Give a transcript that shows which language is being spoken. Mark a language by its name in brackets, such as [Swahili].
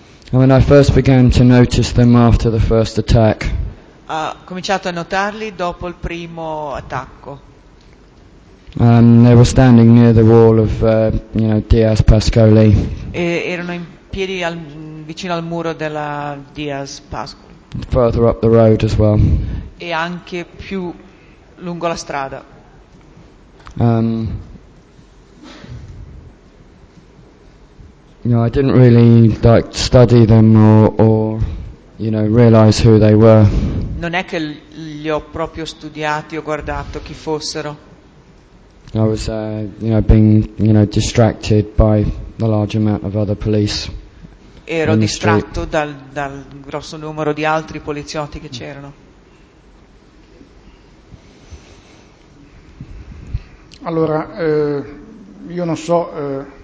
[English] When I first began to notice them after the first attack. [Italian] Ha cominciato a notarli dopo il primo attacco. [English] They were standing near the wall of, you know, Diaz Pascoli. [Italian] E erano in piedi vicino al muro della Diaz Pascoli. [English] Further up the road as well. [Italian] E anche più lungo la strada. [English] You know, I didn't really like study them or you know, realize who they were. [Italian] Non è che li ho proprio studiati o guardato chi fossero. [English] I was, being, you know, distracted by the large amount of other police. [Italian] Ero distratto dal grosso numero di altri poliziotti che c'erano. Allora, io non so.